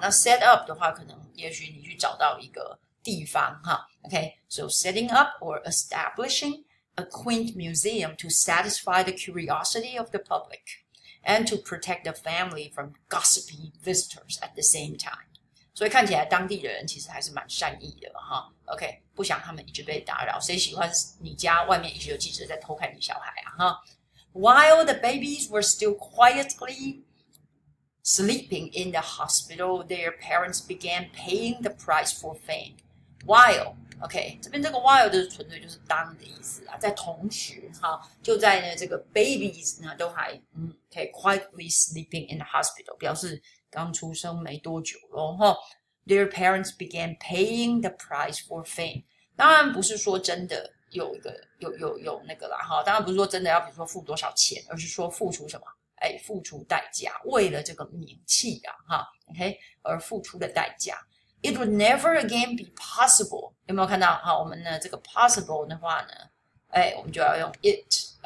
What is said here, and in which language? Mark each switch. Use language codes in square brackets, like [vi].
[zh] 那 set up 的话，可能也许你去找到一个地方哈。 [en] Okay, so setting up or establishing. A quaint museum to satisfy the curiosity of the public and to protect the family from gossipy visitors at the same time. [zh] 所以看起来当地的人其实还是蛮善意的哈。OK, 不想他们一直被打扰。谁喜欢你家外面一直有记者在偷看你小孩啊哈。 [en] While the babies were still quietly sleeping in the hospital, their parents began paying the price for fame. [zh] While... OK, 这边这个 while 就是纯粹就是当的意思啦，在同时哈，就在呢这个 babies 呢都还OK, [en] quietly sleeping in the hospital, [zh] 表示刚出生没多久咯哈。 [en] Their parents began paying the price for fame. [zh] 当然不是说真的有一个有那个啦哈，当然不是说真的要比如说付多少钱，而是说付出什么哎，付出代价，为了这个名气啊哈 ,OK, 而付出的代价。 [en] It would never again be possible. [zh] 有没有看到？好，我们呢这个 possible 的话呢，哎，我们就要用 it.